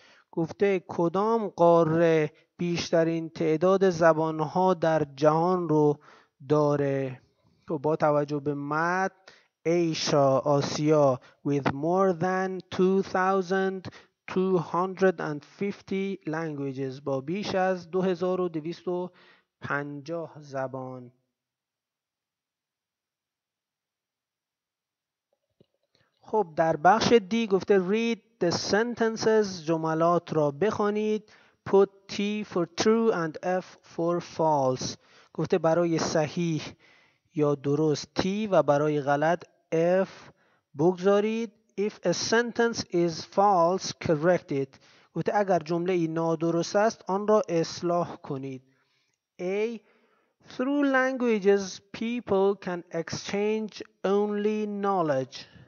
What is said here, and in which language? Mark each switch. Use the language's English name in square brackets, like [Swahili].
[Persian] گفته کدام قاره بیشترین تعداد زبان‌ها در جهان رو داره؟ تو با توجه به مد Asia آسیا [English] with more than 2,250 languages [Persian] با بیش از 2,250 زبان. خب در بخش دی گفته [English] read the sentences [Persian] جملات را بخوانید. [English] Put T for true and F for false. [Persian] گفته برای صحیح یا درست T و برای غلط F بگذارید. [English] If a sentence is false, correct it. [Persian] گفته اگر جمله ای نادرست است آن را اصلاح کنید. [English] A. Through languages, people can exchange only knowledge.